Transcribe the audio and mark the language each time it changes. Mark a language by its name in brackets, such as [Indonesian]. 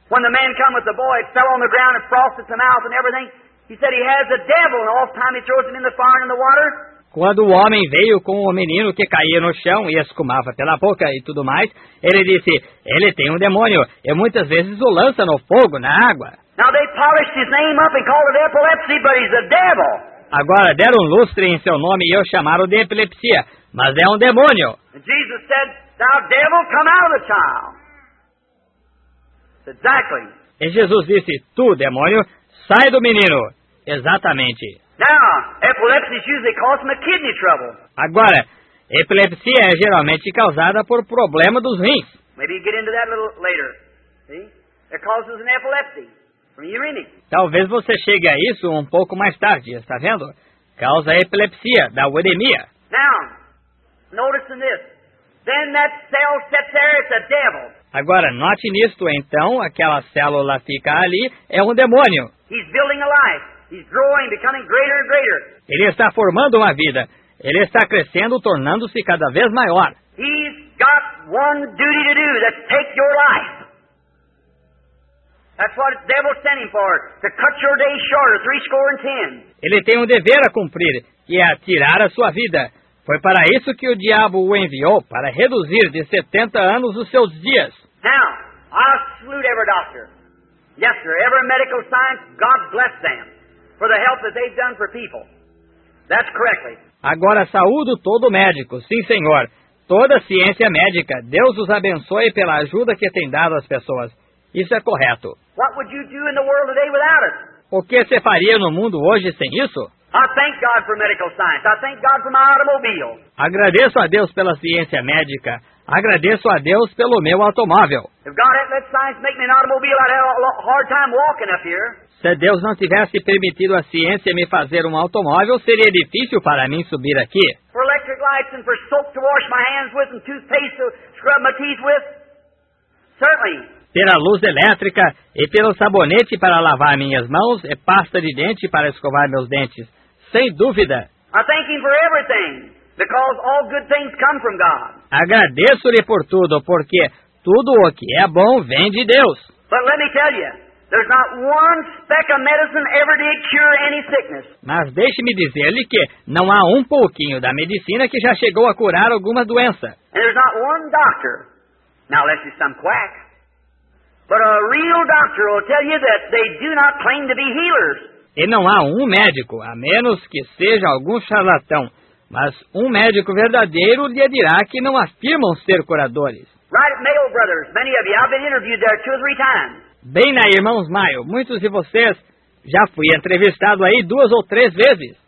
[English] When the man came with the boy, it fell on the ground and frosted the mouth and everything. He said he has a devil, and all the time he throws him in the fire and in the water. [Portuguese] Quando o homem veio com o menino que caía no chão e escumava pela boca e tudo mais, ele disse, ele tem demônio, e muitas vezes o lança no fogo, na água. [English] Now they polished his name up and called it epilepsy, but he's a devil. [Portuguese] Agora deram lustre em seu nome e o chamaram de epilepsia, mas é demônio. [English] Jesus said, "Thou devil, come out of the child." Exactly. [Portuguese] E Jesus disse, "Tu, demônio, sai do menino." Exatamente. [English] Now, epilepsy usually causes from a kidney trouble. [Portuguese] Agora, epilepsia é geralmente causada por problema dos rins. [English] Maybe you get into that a little later. See? It causes an epilepsy from urine. [Portuguese] Talvez você chegue a isso um pouco mais tarde, está vendo? Causa epilepsia, da uremia. [English] Now, notice in this. Then that cell sits there, it's a devil. [Portuguese] Agora, note nisto, então, aquela célula fica ali, é um demônio. [English] He's building a life. He's growing, becoming greater and greater. [Portuguese] Ele está formando uma vida. Ele está crescendo, tornando-se cada vez maior. [English] He's got one duty to do, that's take your life. That's what the devil's sent him for, to cut your day shorter, 70. [Portuguese] Ele tem um dever a cumprir, que é tirar a sua vida. Foi para isso que o diabo o enviou, para reduzir de 70 anos os seus dias. [English] Now, I salute every doctor. Yes, sir, every medical science, God bless them for the help that they've done for people. That's correctly. [Portuguese] Agora, saúdo todo médico, sim, senhor. Toda ciência médica, Deus os abençoe pela ajuda que tem dado às pessoas. Isso é correto. [English] What would you do in the world today without it? [Portuguese] O que você faria no mundo hoje sem isso? [English] I thank God for medical science. I thank God for my automobile. [Portuguese] Agradeço a Deus pela ciência médica. Agradeço a Deus pelo meu automóvel. [English] If God hadn't let science make me an automobile, I'd have a hard time walking up here. [Portuguese] Se Deus não tivesse permitido a ciência me fazer um automóvel, seria difícil para mim subir aqui. [English] For electric lights and for soap to wash my hands with and toothpaste to scrub my teeth with. Certainly. [Portuguese] Pela luz elétrica e pelo sabonete para lavar minhas mãos e pasta de dente para escovar meus dentes. Sem dúvida. [English] I thank him for everything, because all good things come from God. [Portuguese] Agradeço-lhe por tudo, porque tudo o que é bom vem de Deus. [English] But let me tell you, there's not one speck of medicine ever did cure any sickness. [Portuguese] Mas deixe-me dizer-lhe que não há um pouquinho da medicina que já chegou a curar alguma doença. [English] And there's not one doctor. Now let's see some quack. But a real doctor will tell you that they do not claim to be healers. [Portuguese] E não há um médico, a menos que seja algum charlatão, mas um médico verdadeiro lhe dirá que não afirmam ser curadores. [English] Right at Mayo Brothers, many of you, I've been interviewed there 2 or 3 times. [Portuguese] Bem na Irmãos Mayo, muitos de vocês já fui entrevistado aí 2 ou 3 vezes.